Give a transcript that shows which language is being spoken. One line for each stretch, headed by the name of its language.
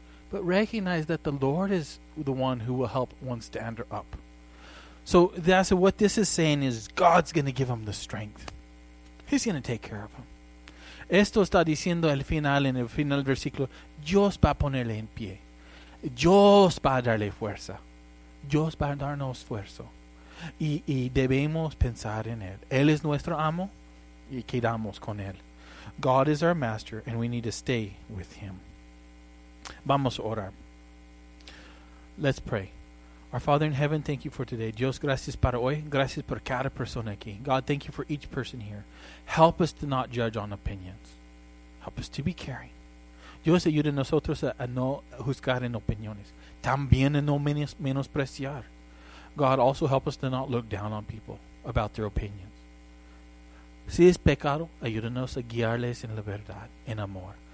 English: But recognize that the Lord is the one who will help one stand up. So, Hadassah, what this is saying is God's going to give him the strength. He's going to take care of him.
Spanish: Esto está diciendo al final, en el final versículo, Dios va a ponerle en pie. Dios va a darle fuerza. Dios va a darnos esfuerzo. Y debemos pensar en él. Él es nuestro amo y quedamos con él.
English: God is our master and we need to stay with him.
Spanish: Vamos a orar.
English: Let's pray. Our Father in heaven, thank you for today.
Spanish: Dios, gracias para hoy. Gracias por cada persona aquí.
English: God, thank you for each person here. Help us to not judge on opinions. Help us to be caring.
Spanish: Dios, ayuda a nosotros a no juzgar en opiniones. También a no menospreciar.
English: God, also help us to not look down on people about their opinions.
Spanish: Si es pecado, ayúdanos a guiarles en la verdad, en amor.